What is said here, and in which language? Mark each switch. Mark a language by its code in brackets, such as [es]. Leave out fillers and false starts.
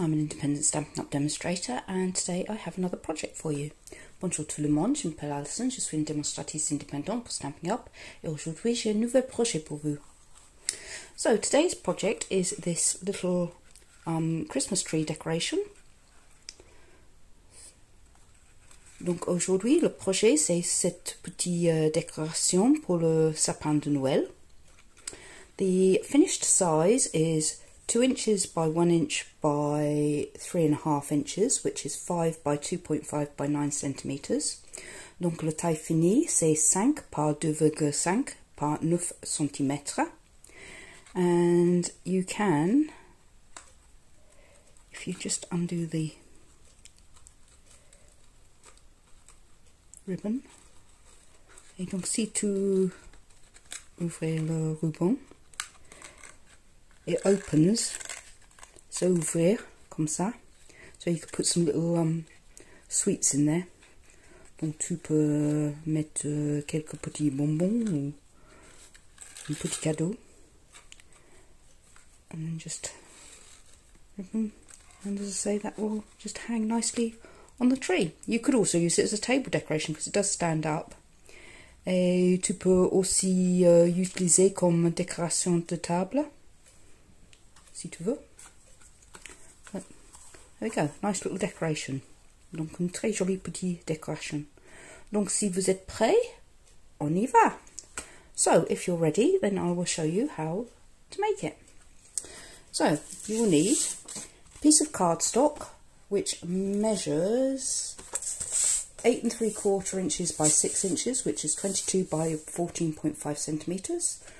[en] I'm an independent Stampin Up demonstrator and today I have another project for you. [fr] Bonjour tout le monde, je m'appelle Alison, je suis une démonstratrice indépendante pour Stampin Up et aujourd'hui j'ai un nouvel projet pour vous. [en] So today's project is this little Christmas tree decoration. [fr] Donc aujourd'hui le projet c'est cette petite décoration pour le sapin de Noël. [en] The finished size is 2 inches by 1 inch by 3.5 inches, which is 5 by 2.5 by 9 centimeters. [fr] Donc le taille finie c'est 5 par 2.5 par 9 centimètres. [en] And you can, if you just undo the ribbon, [fr] et donc si tu ouvres le ruban. [en] It opens, so [fr] ouvrir, comme ça. [en] So you could put some little sweets in there. [fr] Donc tu peux mettre quelques petits bonbons ou un petit cadeau. [en] And just open. And as I say, that will just hang nicely on the tree. You could also use it as a table decoration because it does stand up. [fr] Et tu peux aussi utiliser comme décoration de table. Si tu veux. [en] But there we go, nice little decoration. [fr] Donc une très jolie petite décoration. Donc si vous êtes prêts, on y va. [en] So if you're ready, then I will show you how to make it. So you will need a piece of cardstock which measures 8¾ inches by 6 inches, which is 22 by 14.5 centimeters.